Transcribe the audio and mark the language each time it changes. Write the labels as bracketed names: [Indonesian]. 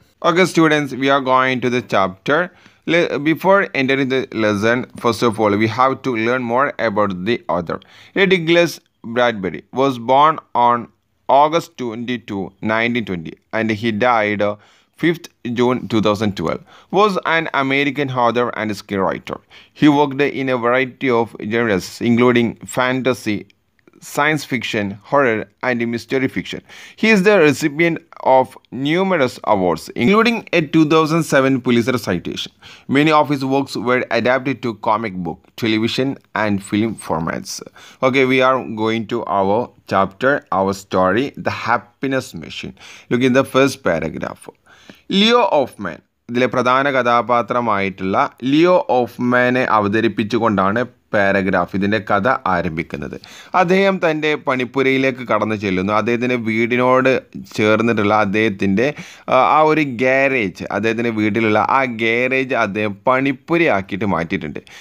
[English] Okay students, we are going to the chapter. Before entering the lesson, first of all we have to learn more about the author. Ray Douglas Bradbury was born on August 22, 1920 and he died 5th June 2012, was an American author and screenwriter. He worked in a variety of genres, including fantasy, science fiction, horror, and mystery fiction. He is the recipient of numerous awards, including a 2007 Pulitzer citation. Many of his works were adapted to comic book, television, and film formats. Okay, we are going to our chapter, our story, The Happiness Machine. Look in the first paragraph. [Malayalam] Leo ഓഫ്മാൻ, ഇതിലെ പ്രധാന കഥാപാത്രമായിട്ടുള്ള Leo ഓഫ്മാനെ അവതരിപ്പിച്ചുകൊണ്ടാണ് paragraph ഇതിൻ്റെ കഥ ആരംഭിക്കുന്നത്. അദ്ദേഹം തൻ്റെ പണിപ്പുരയിലേക്ക് കടന്നു ചെല്ലുന്നു. അദ്ദേഹത്തിൻ്റെ വീടിനോട് ചേർന്നിട്ടുള്ള അദ്ദേഹത്തിൻ്റെ ആ ഒരു ഗ്യാരേജ്, അദ്ദേഹത്തിൻ്റെ വീട്ടിലുള്ള ആ ഗ്യാരേജ് അദ്ദേഹം പണിപ്പുരയാക്കിയിട്ട് മാറ്റിയിട്ടുണ്ട്.